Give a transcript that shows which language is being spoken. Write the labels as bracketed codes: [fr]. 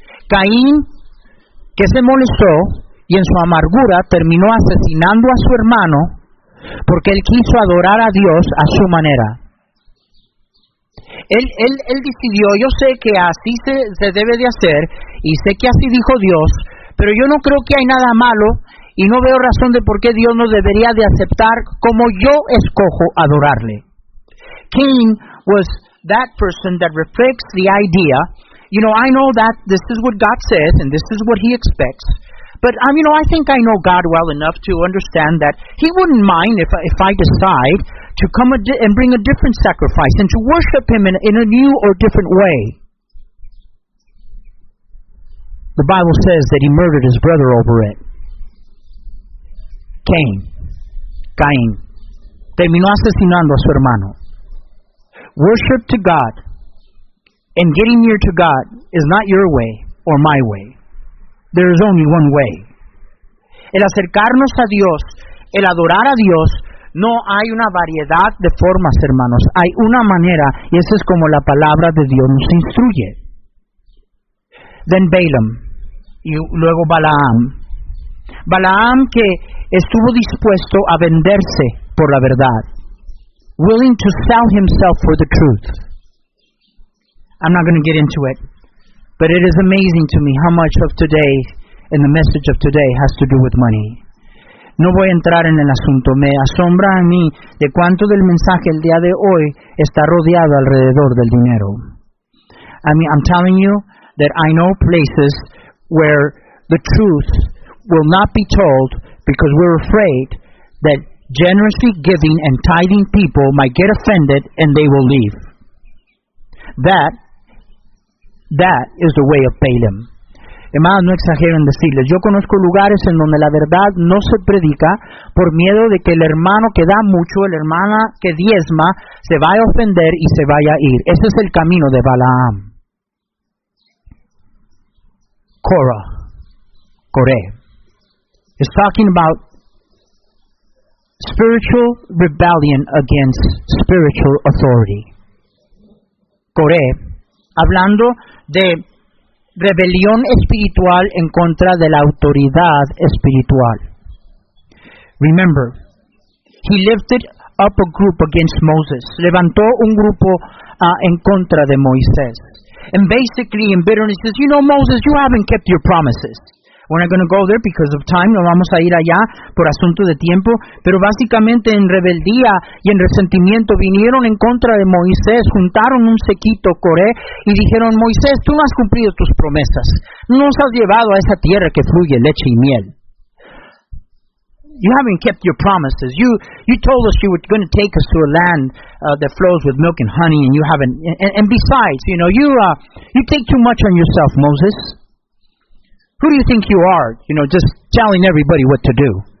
[es] Caín, que se molestó y en su amargura terminó asesinando a su hermano porque él quiso adorar a Dios a su manera. Él decidió, yo sé que así se debe de hacer y sé que así dijo Dios, pero yo no creo que hay nada malo y no veo razón de por qué Dios no debería de aceptar como yo escojo adorarle. [en] Cain was that person that reflects the idea. You know, I know that this is what God says and this is what he expects. But, you know, I think I know God well enough to understand that he wouldn't mind if I decide to come and bring a different sacrifice and to worship him in a new or different way. The Bible says that he murdered his brother over it. Cain. [es] Terminó asesinando a su hermano. [en] Worship to God. And getting near to God is not your way or my way. There is only one way. [es] El acercarnos a Dios, el adorar a Dios, no hay una variedad de formas, hermanos. Hay una manera, y esa es como la palabra de Dios nos instruye. [en] Then Balaam, [es] y luego Balaam. Balaam que estuvo dispuesto a venderse por la verdad. [en] Willing to sell himself for the truth. I'm not going to get into it, but it is amazing to me how much of today and the message of today has to do with money. [es] No voy a entrar en el asunto. Me asombra a mí de cuánto del mensaje el día de hoy está rodeado alrededor del dinero. [en] I mean, I'm telling you that I know places where the truth will not be told because we're afraid that generously giving and tithing people might get offended and they will leave. That is the way of Balaam. [es] Hermanos, no exagero en decirles. Yo conozco lugares en donde la verdad no se predica por miedo de que el hermano que da mucho, la hermana que diezma, se vaya a ofender y se vaya a ir. Ese es el camino de Balaam. Coré. [en] It's talking about spiritual rebellion against spiritual authority. [es] Coré. Hablando de rebelión espiritual en contra de la autoridad espiritual. [en] Remember, he lifted up a group against Moses. [es] Levantó un grupo en contra de Moisés. [en] And basically, in bitterness, he says, you know, Moses, you haven't kept your promises. We're not going to go there because of time. [es] No vamos a ir allá por asunto de tiempo. Pero básicamente en rebeldía y en resentimiento vinieron en contra de Moisés, juntaron un sequito Coré y dijeron, Moisés, tú no has cumplido tus promesas. No nos has llevado a esa tierra que fluye leche y miel. [en] You haven't kept your promises. You told us you were going to take us to a land that flows with milk and honey and you haven't. And besides, you know, you take too much on yourself, Moses. Who do you think you are, you know, just telling everybody what to do?